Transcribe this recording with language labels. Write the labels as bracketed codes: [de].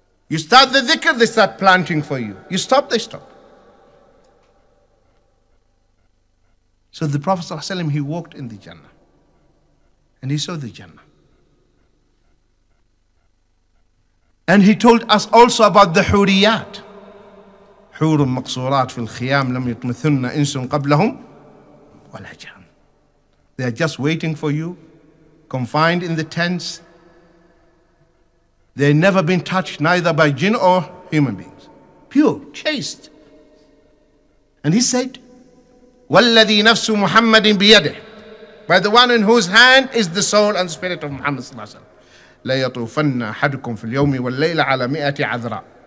[en] You start the dhikr, they start planting for you. You stop, they stop. So the Prophet ﷺ, he walked in the Jannah. And he saw the Jannah. And he told us also about the huriyat. [ar] حور مقصورات في الخيام لم يطمثن إنس قبلهم ولا جان. [en] They are just waiting for you, confined in the tents. They have never been touched neither by jinn or human beings. Pure, chaste. And he said, [ar] والذي نفس محمد بيده. [en] By the one in whose hand is the soul and spirit of Muhammad صلى الله عليه وسلم. [ar] لا يطوفن أحدكم في اليوم والليلة على مئة عذراء.